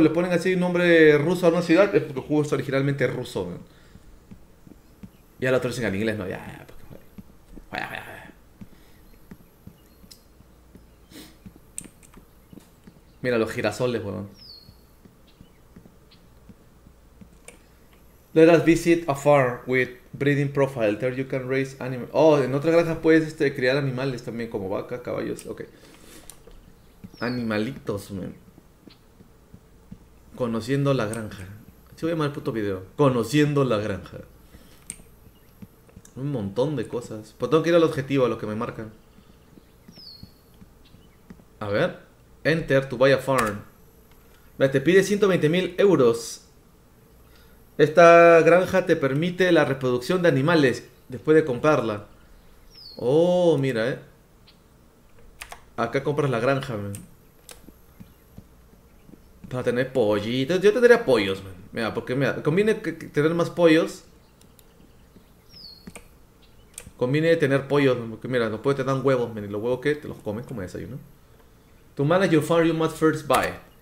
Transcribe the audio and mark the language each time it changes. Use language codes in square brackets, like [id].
[es] ¿Le ponen así un nombre ruso a una ciudad? Es porque el juego es originalmente ruso, man. Y a la otra dicen en inglés, no, ya, porque fue. Mira los girasoles, weón. [en] Let us visit a farm with breeding profile. There you can raise animals. [es] Oh, en otras granjas puedes criar animales también, como vaca, caballos. Ok. Animalitos, man. Conociendo la granja. Sí, voy a llamar el puto video. Conociendo la granja. Un montón de cosas. Pues tengo que ir al objetivo, a lo que me marcan. A ver. [en] Enter to buy a farm. [es] Mira, te pide 120 mil euros. Esta granja te permite la reproducción de animales después de comprarla. Oh, mira, eh. Acá compras la granja, man. Para tener pollitos. Yo tendría pollos, man. Mira, porque mira, conviene tener más pollos. Conviene tener pollos, man. Porque mira, no puede te dan huevos, man. Y los huevos que te los comes como desayuno. [en] To manage your farm, you must first buy.